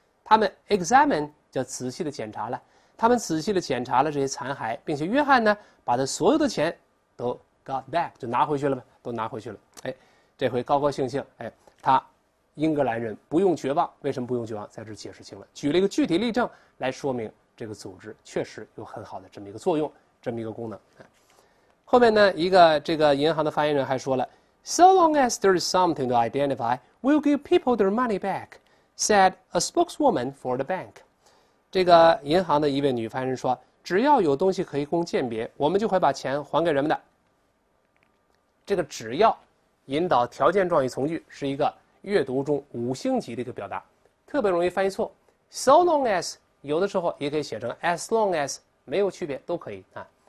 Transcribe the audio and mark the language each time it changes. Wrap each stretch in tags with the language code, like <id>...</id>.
<zh>他们 examine 叫仔细的检查了，他们仔细的检查了这些残骸，并且约翰呢，把他所有的钱都 got back， 就拿回去了呗，都拿回去了。哎，这回高高兴兴，哎，他。英格兰人不用绝望，为什么不用绝望？在这解释清了，举了一个具体例证来说明这个组织确实有很好的这么一个作用，这么一个功能。后面呢，一个这个银行的发言人还说了</zh> <en>，So long as there is something to identify, we'll give people their money back," said a spokeswoman for the bank.</en> <zh>这个银行的一位女发言人说，只要有东西可以供鉴别，我们就会把钱还给人们的。这个只要引导条件状语从句是一个。阅读中五星级的一个表达，特别容易翻译错。</zh> <en>So long as</en> <zh>有的时候也可以写成</zh> <en>as long as</en> <zh>没有区别都可以啊。</zh>